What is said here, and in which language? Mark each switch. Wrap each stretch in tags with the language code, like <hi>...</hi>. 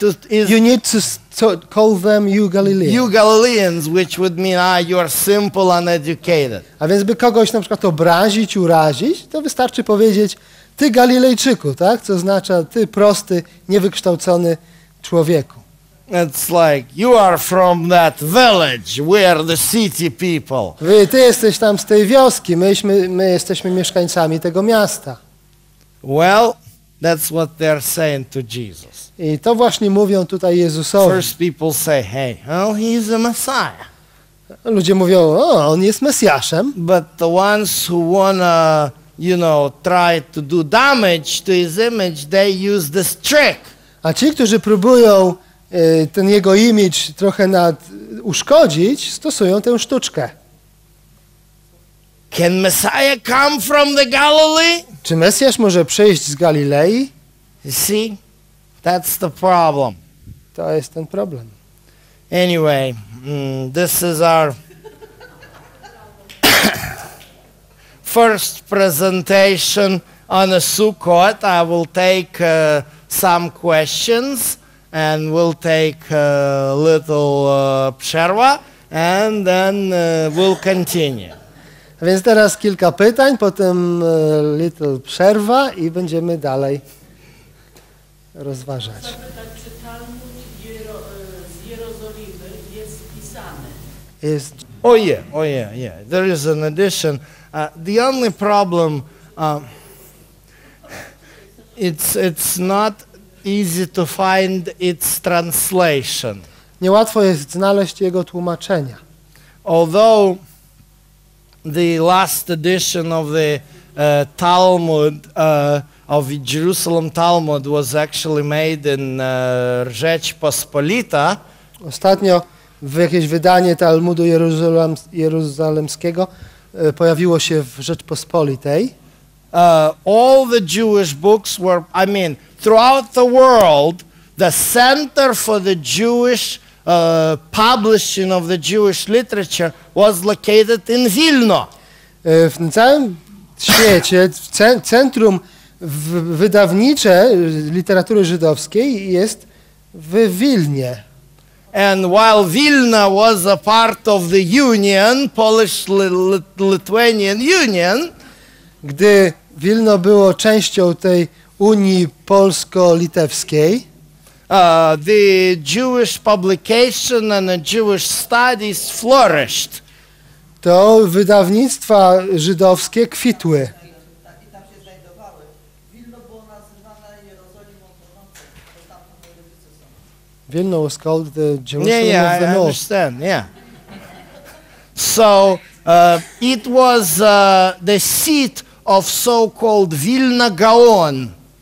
<en>You need to call them you Galileans. You Galileans, which would mean you are simple, uneducated.</en> <pl>A więc by kogoś na przykład obrazić, urazić, to wystarczy powiedzieć ty Galilejczyku, tak? Co oznacza ty prosty, niewykształcony człowieku.</pl> <en>It's like you are from that village, we are the city people.</en> <pl>Ty jesteś tam z tej wioski, my jesteśmy mieszkańcami tego miasta.</pl> <en>Well, that's what they're saying to Jesus.</en> <pl>I to właśnie mówią tutaj Jezusowi.</pl> <en>First people say, hey, well, he's a Messiah.</en> <pl>Ludzie mówią, on jest Mesjaszem.</pl> <en>But the ones who wanna, you know, try to do damage to his image, they use this trick.</en> <pl>A ci, którzy próbują ten jego image trochę uszkodzić, stosują tę sztuczkę.</pl> <en>Can Messiah come from the Galilee?</en> <pl>Czy Mesjasz może przyjść z Galilei?</pl> <en>You see, that's the problem.</en> <pl>To jest ten problem.</pl> <en>Anyway, this is our first presentation on a Sukkot. I will take some questions and we'll take a little przerwa and then we'll continue.</en> <pl>A więc teraz kilka pytań, potem little przerwa i będziemy dalej rozważać. Zapytać, czy Talmud z Jerozolimy jest pisany? Jest.</pl> <en>Oh yeah. There is an addition. The only problem, it's not easy to find its translation.</en> <pl>Niełatwo jest znaleźć jego tłumaczenia.</pl> <en>Although the last edition of the Talmud, of the Jerusalem Talmud, was actually made in Rzeczpospolita.</en> <pl>Ostatnio w jakieś wydanie Talmudu Jerozolimskiego pojawiło się w Rzeczpospolitej.</pl> <en>All the Jewish books were, I mean, throughout the world, the center for the Jewish publishing of the Jewish literature was located in Vilno.</en> <pl>W całym świecie centrum wydawnicze literatury żydowskiej jest w Wilnie.</pl> <en>And while Vilna was a part of the Union, Polish-Lithuanian Union,</en> <pl>gdy Wilno było częścią tej Unii Polsko-Litewskiej,</pl> <en>The Jewish publication and the Jewish studies flourished.</en> <pl>To wydawnictwa żydowskie kwitły. I tam się znajdowały. Wilno było nazywane Jerozolimą Północną.</pl> <en>Wilno was called the Jerusalem of the North. Yeah, I understand, yeah. So, it was the seat of so-called Vilna Gaon.</en>